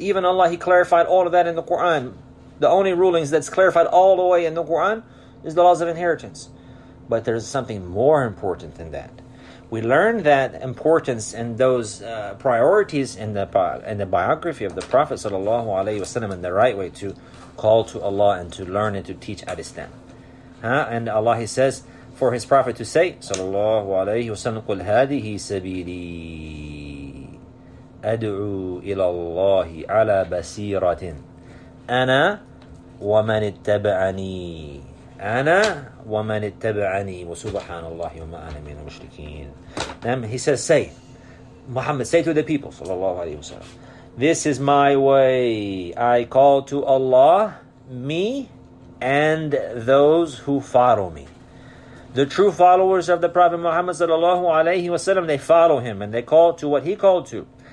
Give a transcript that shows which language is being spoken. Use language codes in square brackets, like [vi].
[en] Even Allah, He clarified all of that in the Quran. The only rulings that's clarified all the way in the Quran is the laws of inheritance. But there's something more important than that. We learn that importance and those priorities in the biography of the Prophet sallallahu alaihi wasallam, in the right way to call to Allah and to learn and to teach al-Islam. Huh? And Allah, He says, for His Prophet to say, sallallahu alaihi wasallam, [ar] قُلْ هَذِهِ سَبِيلِي أَدْعُو إِلَى اللَّهِ عَلَى بَسِيرَةٍ أَنَا وَمَنِ اتَّبَعَنِي أَنَا وَمَنِ اتَّبَعَنِي وَسُبْحَانَ اللَّهِ وَمَا أَنَا مِنَ الْمُشْرِكِينَ. [en] He says, say, Muhammad, say to the people, sallallahu alayhi wa sallam, this is my way. I call to Allah, me, and those who follow me. The true followers of the Prophet Muhammad sallallahu alayhi wa sallam, they follow him, and they call to what he called to.